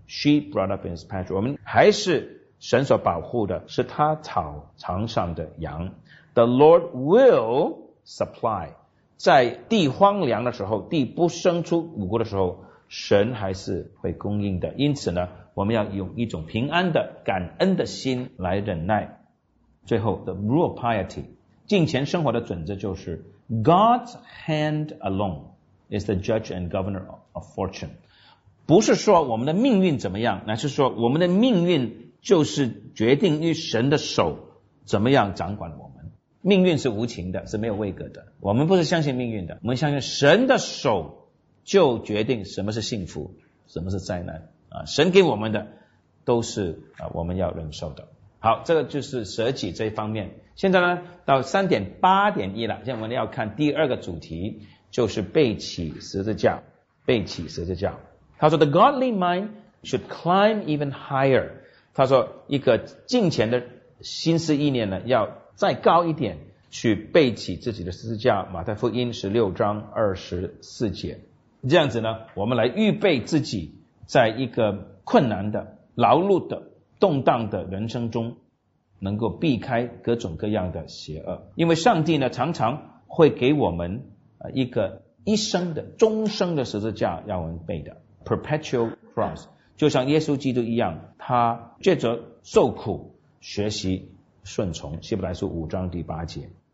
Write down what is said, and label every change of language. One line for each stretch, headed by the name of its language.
English: Sheep brought up in his pasture.
Chinese: 我们还是神所保护的是他草场上的羊。
English: The Lord will supply.
Chinese: 在地荒凉的时候地不生出五谷的时候神还是会供应的。因此呢我们要用一种平安的感恩的心来忍耐。最后
English: the rule of piety.
Chinese: 敬虔生活的准则就是
English: God's hand alone is the judge and governor of fortune.
Chinese: 不是说我们的命运怎么样，乃是说我们的命运就是决定于神的手怎么样掌管我们。命运是无情的，是没有位格的。我们不是相信命运的，我们相信神的手就决定什么是幸福，什么是灾难。神给我们的都是我们要忍受的。好，这个就是舍己这一方面。现在呢，到 3.8.1 了，现在我们要看第二个主题，就是背起十字架。背起十字架。他说
English: The godly mind should climb even higher.
Chinese: 他说一个敬虔的心思意念呢，要再高一点，去背起自己的十字架。马太福音16章24节。这样子呢，我们来预备自己在一个困难的、劳碌的、动荡的人生中能够避开各种各样的邪恶因为上帝呢常常会给我们一个一生的终生的十字架要我们背的 Perpetual Cross 就像耶稣基督一样他借着受苦学习顺从希伯来书五章第八节